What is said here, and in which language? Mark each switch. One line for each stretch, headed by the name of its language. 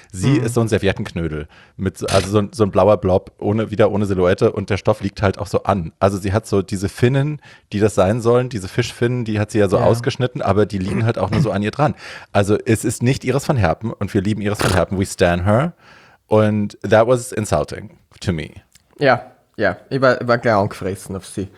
German: Sie ist so ein Serviettenknödel, mit so, also so ein blauer Blob, ohne Silhouette und der Stoff liegt halt auch so an. Also sie hat so diese Finnen, die das sein sollen, diese Fischfinnen, die hat sie ja so ausgeschnitten, aber die liegen halt auch nur so an ihr dran. Also es ist nicht Iris van Herpen und wir lieben Iris van Herpen,
English: we stan her. Und that was insulting to me.
German: Ja, ja, ich war gleich angefressen auf sie.